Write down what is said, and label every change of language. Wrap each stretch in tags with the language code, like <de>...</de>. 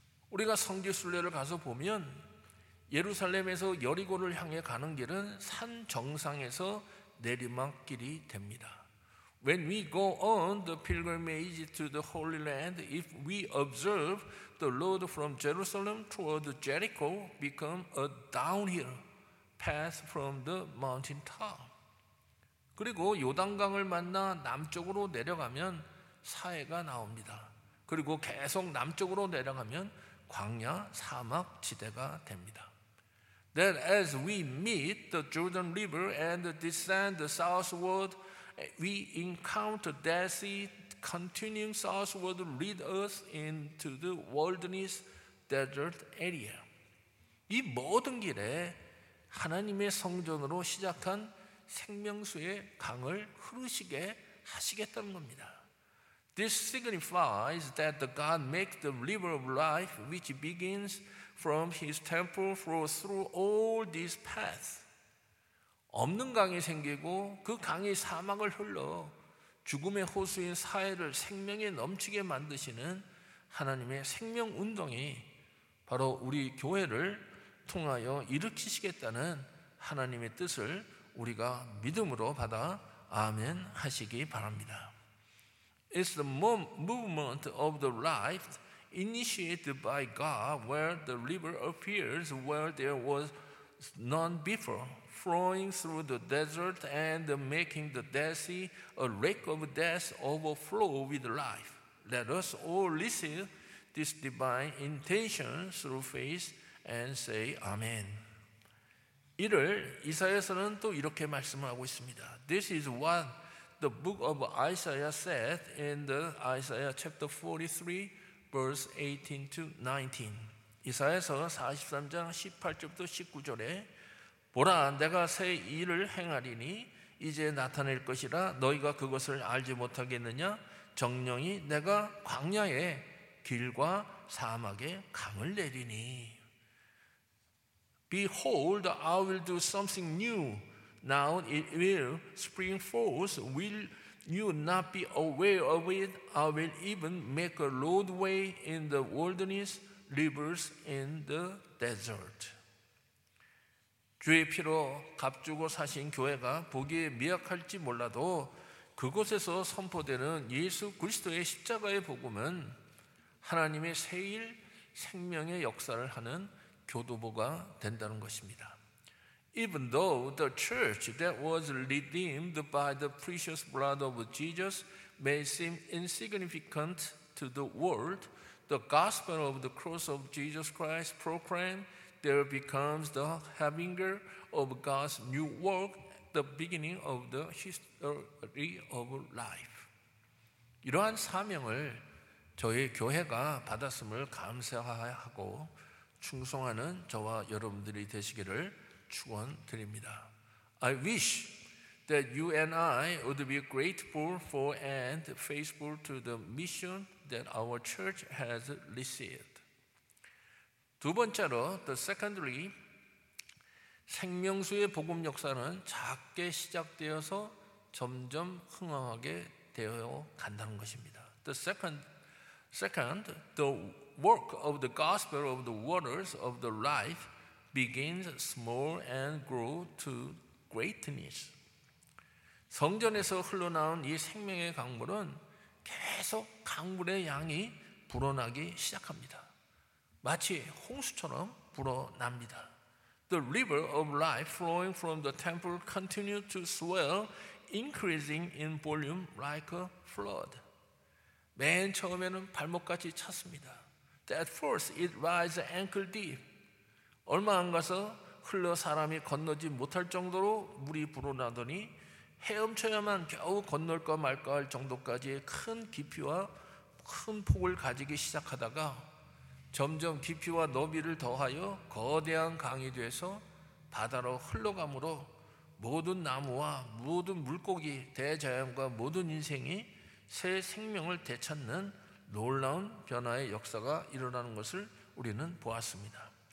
<ko>우리가 성지순례를 가서 보면 예루살렘에서 여리고를 향해 가는 길은 산 정상에서 내리막길이 됩니다.</ko> <en>When we go on the pilgrimage to the Holy Land, if we observe the road from Jerusalem toward Jericho become a downhill path from the mountain top.</en> <ko>그리고 요단강을 만나 남쪽으로 내려가면 사해가 나옵니다. 그리고 계속 남쪽으로 내려가면 광야 사막 지대가 됩니다.</ko> <en>Then as we meet the Jordan River and descend southward, we encounter Dead Sea continuing southward lead us into the wilderness desert area.</en> <ko>이 모든 길에 하나님의 성전으로 시작한 생명수의 강을 흐르시게 하시겠다는 겁니다.</ko> <en>This signifies that the God makes the river of life which begins from his temple flow through all these paths.</en> <ko>없는 강이 생기고 그 강이 사막을 흘러 죽음의 호수인 사해를 생명에 넘치게 만드시는 하나님의 생명 운동이 바로 우리 교회를 통하여 일으키시겠다는 하나님의 뜻을 우리가 믿음으로 받아 아멘 하시기 바랍니다.</ko> <en>It's the movement of the life initiated by God where the river appears where there was none before, flowing through the desert and making the Dead Sea a lake of death overflow with life. Let us all receive this divine intention through faith and say Amen.</en> <ko>이를 이사야서는 또 이렇게 말씀을 하고 있습니다.</ko> <en>This is what the book of Isaiah said in the Isaiah chapter 43 verse 18 to 19.</en> <ko>이사야서 43장 18절부터 19절에 보라 내가 새 일을 행하리니 이제 나타낼 것이라 너희가 그것을 알지 못하겠느냐 정녕이 내가 광야에 길과 사막에 강을 내리니</ko> <en>Behold, I will do something new. Now it will spring forth. Will you not be aware of it? I will even make a roadway in the wilderness, rivers in the desert.</en> <ko>주의 피로 값주고 사신 교회가 보기에 미약할지 몰라도 그곳에서 선포되는 예수 그리스도의 십자가의 복음은 하나님의 새일 생명의 역사를 하는 교도부가 된다는 것입니다.</ko> <en>Even though the church that was redeemed by the precious blood of Jesus may seem insignificant to the world, the gospel of the cross of Jesus Christ proclaimed there becomes the harbinger of God's new work, the beginning of the history of life.</en> <ko>이러한 사명을 저희 교회가 받았음을 감사하고 충성하는 저와 여러분들이 되시기를 축원드립니다.</ko> <en>I wish that you and I would be grateful for and faithful to the mission that our church has received.</en> <ko>두 번째로,</ko> <en>the secondly,</en> <ko>생명수의 복음 역사는 작게 시작되어서 점점 흥황하게 되어 간다는 것입니다.</ko> <en>The second, the work of the gospel of the waters of the life begins small and grow to greatness.</en> <ko>성전에서 흘러나온 이 생명의 강물은 계속 강물의 양이 불어나기 시작합니다. 마치 홍수처럼 불어납니다.</ko> <en>The river of life flowing from the temple continued to swell, increasing in volume like a flood.</en> <ko>맨 처음에는 발목까지 찼습니다.</ko> <en>At first, it rises ankle deep.</en> <ko>얼마 안 가서 흘러 사람이 건너지 못할 정도로 물이 불어나더니 헤엄쳐야만 겨우 건널까 말까 할 정도까지의 큰 깊이와 큰 폭을 가지기 시작하다가 점점 깊이와 너비를 더하여 거대한 강이 돼서 바다로 흘러가므로 모든 나무와 모든 물고기, 대자연과 모든 인생이 새 생명을 되찾는 놀라운 변화의 역사가 일어나는 것을 우리는 보았습니다.</ko>